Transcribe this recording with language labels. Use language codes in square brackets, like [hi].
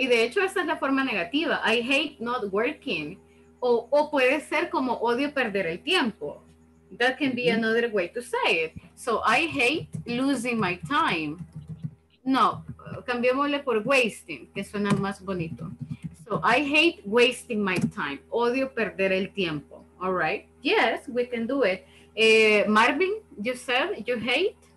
[es] Y de hecho esa es la forma negativa. [en] I hate not working. [es] O puede ser como odio perder el tiempo. [en] That can be another way to say it. So I hate losing my time. [es] No, cambiémosle por wasting, que suena más bonito. [en] So I hate wasting my time. [es] Odio perder el tiempo. [en] All right. Yes, we can do it. Marvin, you said you hate?